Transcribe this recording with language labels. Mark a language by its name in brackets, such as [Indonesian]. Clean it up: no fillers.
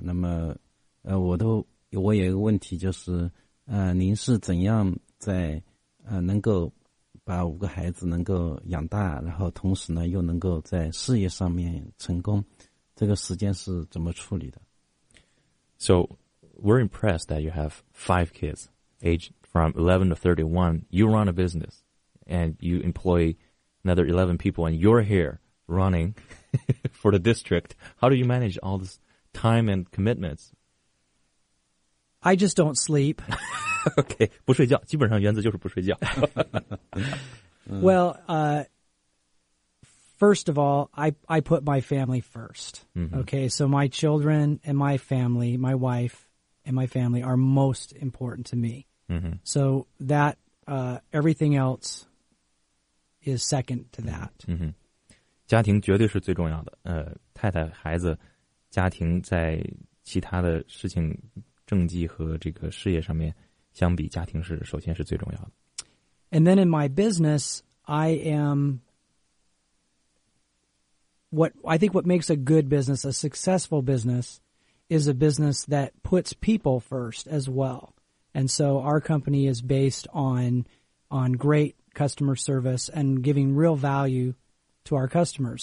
[Chinese] 那么我有一个问题，就是您是怎样在能够把五个孩子能够养大，然后同时呢又能够在事业上面成功，这个时间是怎么处理的？ [English] So we're impressed that you have five kids age from 11 to 31. You run a business and you employ another 11 people and you're here running for the district. How do you manage all this time and commitments? I just don't sleep. [Chinese] Okay, 不睡觉，基本上原则就是不睡觉。 [English] Well, first of all, I put my family first. Mm-hmm. Okay, so my children and my family, my wife and my family are most important to me. Mm-hmm. So that everything else is second to that. [Chinese] Mm-hmm. 家庭绝对是最重要的。太太、孩子、家庭在其他的事情政绩和这个事业上面相比，家庭是首先是最重要的。 [English] And then in my business, I am what I think what makes a good business, a successful business, is a business that puts people first as well. And so our company is based on great customer service and giving real value to our customers.